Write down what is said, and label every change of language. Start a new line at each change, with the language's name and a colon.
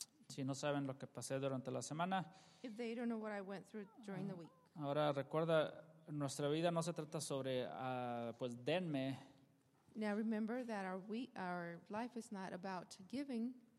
Spanish: Si no saben lo que pasé durante la semana.
English: If they don't know what I went through during the week.
Spanish: Ahora recuerda, nuestra vida no se trata sobre pues denme.
English: Now remember that our life is not about giving.